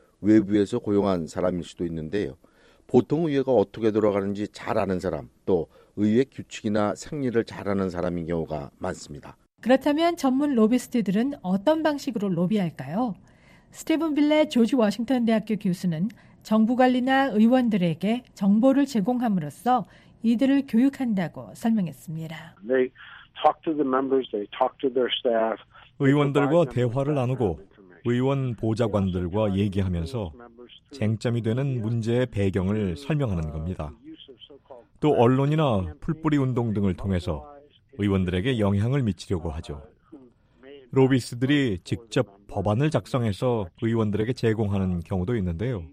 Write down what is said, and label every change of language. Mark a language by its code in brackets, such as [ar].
[ko] 외부에서 고용한 사람일 수도 있는데요. 보통 의회가 어떻게 돌아가는지 잘 아는 사람, 또 의회 규칙이나 생리를 잘 아는 사람인 경우가 많습니다. 그렇다면 전문 로비스트들은 어떤 방식으로 로비할까요? 스티븐 빌레 조지 워싱턴 대학교 교수는 정부 관리나 의원들에게 정보를 제공함으로써 이들을 교육한다고 설명했습니다. [en] They talk to the members, they talk to their staff. [ko] 의원들과 대화를 나누고 의원 보좌관들과 얘기하면서 쟁점이 되는 문제의 배경을 설명하는 겁니다. 또 언론이나 풀뿌리 운동 등을 통해서 의원들에게 영향을 미치려고 하죠. 로비스트들이 직접 법안을 작성해서 의원들에게 제공하는 경우도 있는데요.